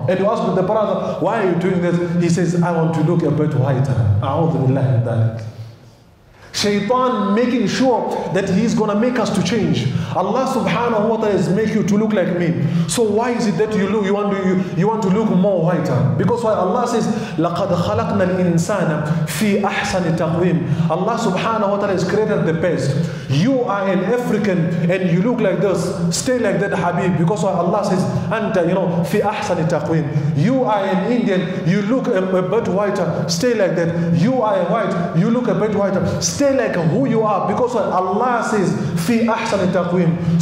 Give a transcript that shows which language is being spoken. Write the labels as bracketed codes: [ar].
[en] And you ask the brother, why are you doing this? He says, I want to look a bit whiter. [ar] A'udhu billahi min dhalik. [en] Shaitan making sure that he's gonna make us to change. Allah subhanahu wa ta'ala has make you to look like me. So why is it that you want to look more whiter? Because why Allah says, [ar] لَقَدْ خَلَقْنَا الْإِنسَانَ فِي أَحْسَنِ تَقْوِيمٍ. [en] Allah subhanahu wa ta'ala has created the best. You are an African and you look like this. Stay like that, Habib. Because why Allah says, أَنْتَ, you know, [ar] فِي أَحْسَنِ تَقْوِيمٍ. [en] You are an Indian, you look a bit whiter. Stay like that. You are white, you look a bit whiter. Stay like who you are, because Allah says, [ar] "Fi ahsan taqwim."